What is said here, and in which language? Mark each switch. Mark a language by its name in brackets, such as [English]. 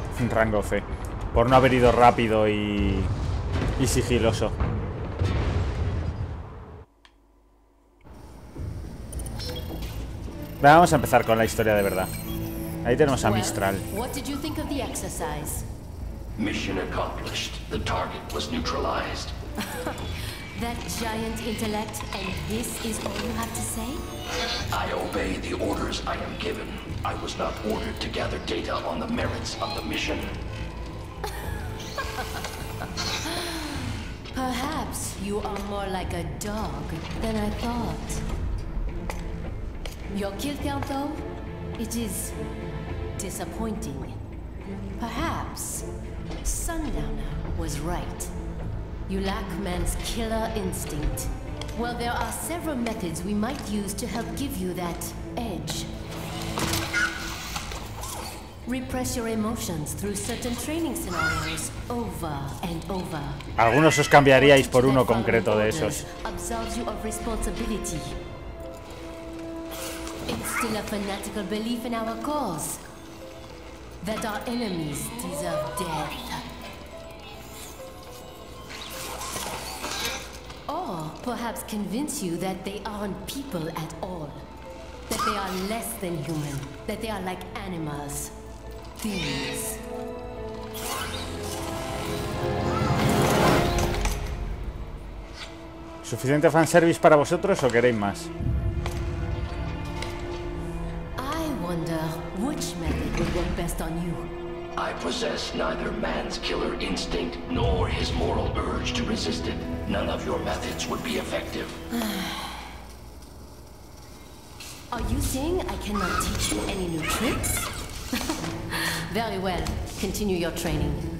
[Spanish] Rango C, por no haber ido rápido y sigiloso. Vamos a empezar con la historia de verdad. Ahí tenemos a Mistral. [English] What did you think of the exercise? Mission accomplished. The target was neutralized. That giant intellect, and this is all you have to say? I obey the orders I am given. I was not ordered to gather data on the merits of the mission. Perhaps you are more like a dog than I thought. Your kill count, though, it is disappointing. Perhaps Sundowner was right. You lack man's killer instinct. Well, there are several methods we might use to help give you that edge. Repress your emotions through certain training scenarios over and over. [Spanish] Algunos os cambiaríais por uno concreto de esos. [English] Absolves you of responsibility. Instill a fanatical belief in our cause. That our enemies deserve death. Or perhaps convince you that they aren't people at all. That they are less than human. That they are like animals. Things. [Spanish] ¿Suficiente fanservice para vosotros o queréis más? [English] I wonder which method would work best on you. I possess neither man's killer instinct nor his moral urge to resist it, none of your methods would be effective. Are you saying I cannot teach you any new tricks? Very well. Continue your training.